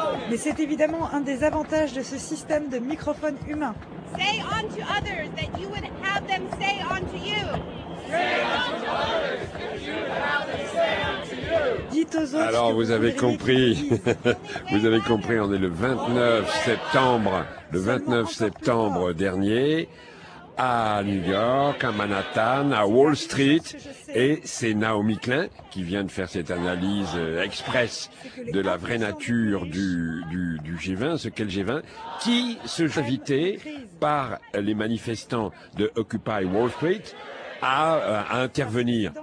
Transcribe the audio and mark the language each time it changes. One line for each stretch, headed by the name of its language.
French: Mais c'est évidemment un des avantages de ce système de microphone humain.
English: Say on to others that you would have them say on to you.
French: Dites aux autres. Alors vous avez compris. Vous avez compris, on est le 29 septembre, le 29 septembre dernier à New York, à Manhattan, à Wall Street, et c'est Naomi Klein qui vient de faire cette analyse express de la vraie nature du G20, ce qu'est le G20, qui se fait inviter par les manifestants de Occupy Wall Street à intervenir.